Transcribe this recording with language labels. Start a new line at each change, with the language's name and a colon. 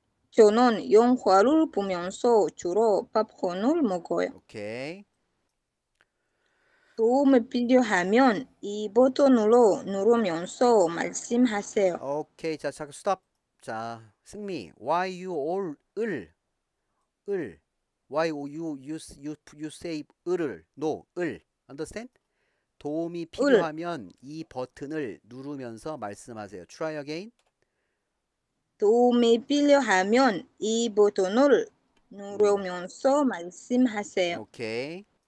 Korean: 저는 영화를 보면서 주로 팝콘을 먹어요.
English: 오케이.
Korean: 도움이 필요하면 이 버튼으로 누르면서 말씀하세요. 오케이. 자, 잠깐 스톱. 자, 승미.
English: Why you all 을. Why you say 을을. No, 을. Understand?
Korean: 도움이 필요하면 이 버튼을 누르면서 말씀하세요.
English: Try again.
Korean: 도움이 필요하면 이 버튼을 누르면서 말씀하세요.
English: 오케이.